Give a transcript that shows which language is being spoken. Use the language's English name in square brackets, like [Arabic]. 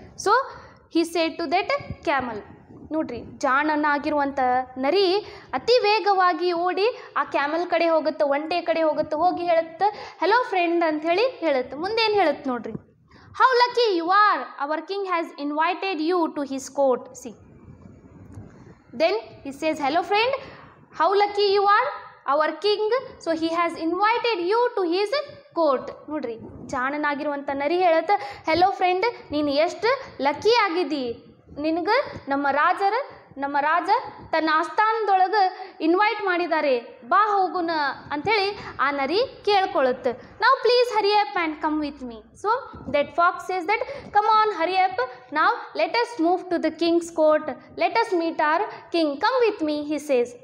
[English] So he said to that camel. [Kannada] ನೋಡ್ರಿ, ಜಾಣನಾಗಿರುವಂಥ ನರಿ ಅತಿ ವೇಗವಾಗಿ ಓಡಿ ಆ ಕ್ಯಾಮಲ್ ಕಡೆ ಹೋಗುತ್ತೆ, ಒಂಟೆ ಕಡೆ ಹೋಗುತ್ತೆ, ಹೋಗಿ ಹೇಳುತ್ತೆ ಹೆಲೋ ಫ್ರೆಂಡ್ ಅಂತ ಹೇಳಿ ಹೇಳುತ್ತೆ. ಮುಂದೇನು ಹೇಳುತ್ತೆ ನೋಡ್ರಿ, [English] How lucky you are, our king has invited you to his court. See then he says hello friend how lucky you are, our king, so he has invited you to his court. [Kannada] ನೋಡ್ರಿ, ಜಾಣನಾಗಿರುವಂಥ ನರಿ ಹೇಳತ್ತ, hello friend, ನೀನು ಎಷ್ಟು lucky ಆಗಿದ್ದಿ, ನಿನಗೆ ನಮ್ಮ ರಾಜ ತನ್ನ ಆಸ್ಥಾನದೊಳಗೆ invite ಮಾಡಿದ್ದಾರೆ, ಬಾ ಹೋಗುನ ಅಂಥೇಳಿ ಆ ನರಿ ಕೇಳ್ಕೊಳತ್ತೆ. [English] ನಾವು please hurry up and come with me. So that fox is that come on hurry up, ನಾವು let us move to the king's court, let us meet our king, come with me he says.